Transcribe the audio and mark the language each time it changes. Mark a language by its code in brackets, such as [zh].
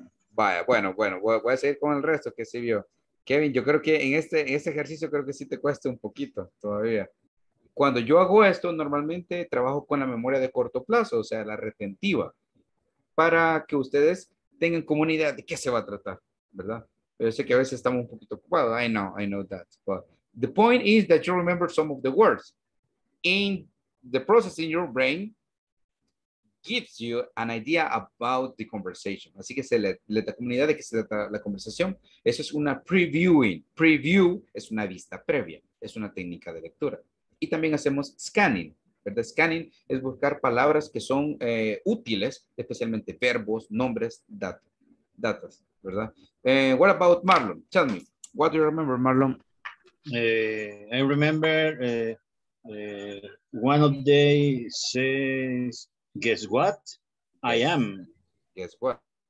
[es] Vaya, bueno, voy a seguir con el resto que sí vio. Kevin, yo creo que en este ejercicio creo que sí te cuesta un poquito todavía. Cuando yo hago esto, normalmente trabajo con la memoria de corto plazo, o sea, la retentiva, para que ustedes tengan como una idea de qué se va a tratar, ¿verdad? Pero yo sé que a veces estamos un poquito ocupados. [en] I know that. But the point is that you remember some of the words. In the process in your brain gives you an idea about the conversation. [es] Así que se le da comunidad de que se trata la conversación. Eso es una previewing. Preview es una vista previa. Es una técnica de lectura. Y también hacemos scanning, ¿verdad? Scanning es buscar palabras que son útiles, especialmente verbos, nombres, datos, ¿verdad? [en] What about Marlon? Tell me, what do you remember, Marlon? I remember one of them says, guess what? I am. Guess what?